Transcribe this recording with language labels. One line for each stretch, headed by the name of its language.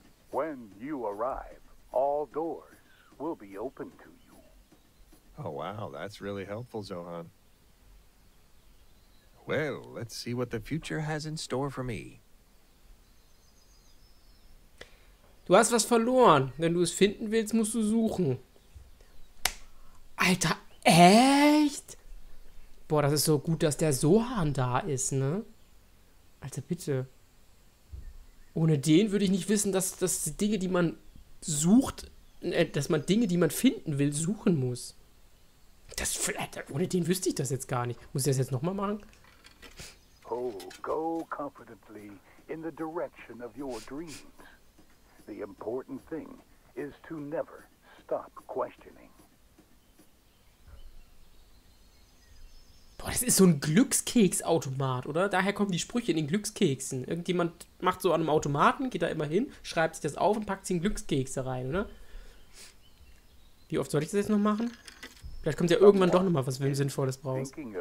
English: When you arrive, all doors will be open to you. Oh, wow, that's really helpful, Zoan. Well, let's see what the future has in store for me.
German: Du hast was verloren. Wenn du es finden willst, musst du suchen. Alter, echt? Boah, das ist so gut, dass der Zoan da ist, ne? Alter, bitte. Ohne den würde ich nicht wissen, dass das Dinge, die man... sucht, dass man Dinge, die man finden will, suchen muss. Das flattert. Ohne den wüsste ich das jetzt gar nicht. Muss ich das jetzt nochmal machen?
English: Oh, go confidently in the direction of your dreams. The important thing is to never stop questioning.
German: Es ist so ein Glückskeksautomat, oder? Daher kommen die Sprüche in den Glückskeksen. Irgendjemand macht so an einem Automaten, geht da immer hin, schreibt sich das auf und packt sich in Glückskekse rein, oder? Wie oft soll ich das jetzt noch machen? Vielleicht kommt ja irgendwann doch nochmal was, wenn du Sinnvolles brauchst.